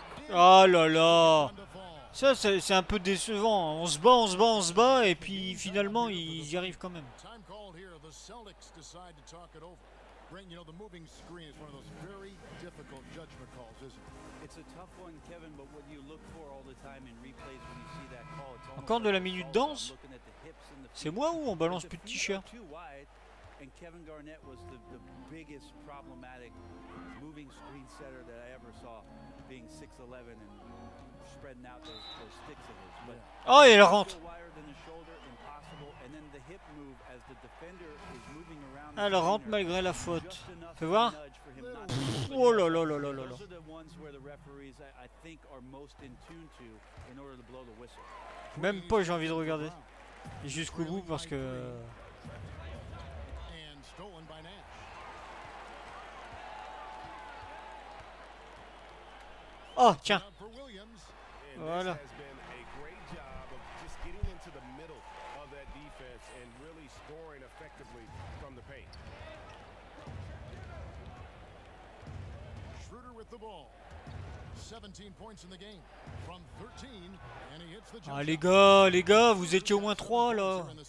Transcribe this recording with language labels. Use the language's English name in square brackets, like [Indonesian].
[French] Oh là là, ça c'est un peu décevant. On se bat, on se bat, on se bat, et puis finalement ils y arrivent quand même. [English] Time called here. The Celtics decide to talk it over. Bring, you know, the moving screen is one of those very difficult judgment calls, isn't it? It's a tough one, Kevin. But what you look for all the time in replays when you see that call. [French] Encore de la minute danse. C'est moi ou on balance plus de t-shirt? [English] And Kevin Garnett was the biggest problematic moving screen setter that I ever saw, being 6'11 and spreading out those sticks of his. But [French] oh, il rentre. [English] Wired in the shoulder, impossible. And then the hip move as the defender is moving around. [French] Elle rentre malgré la faute. Tu vois? Oh là là là là là. [English] Those are the ones where the referees, I think, are most in tune to in order to blow the whistle. [French] Même pas, j'ai envie de regarder jusqu'au bout parce que. [English] Stolen by Nash. [French] Oh, tiens. [English] For Williams. [French] Voilà. [English] This has been a great job of just getting into the middle of that defense and really scoring effectively from the paint. Schroeder with the ball. 17 points in the game from 13 and he hits the jump. [French] Ah les gars, vous étiez au moins 3 là.